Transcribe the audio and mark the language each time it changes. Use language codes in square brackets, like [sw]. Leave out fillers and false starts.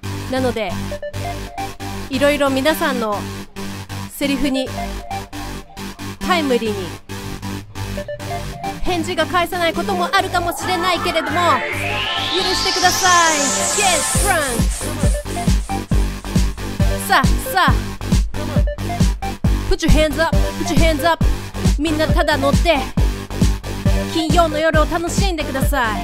[ja] なのでいろいろ皆さんのセリフにタイムリーに返事が返せないこともあるかもしれないけれども、許してください。 [en] Get drunk。 [ja] さあさあ、 [en] Put your hands up、 Put your hands up。 [ja] みんなただ乗って金曜の夜を楽しんでください。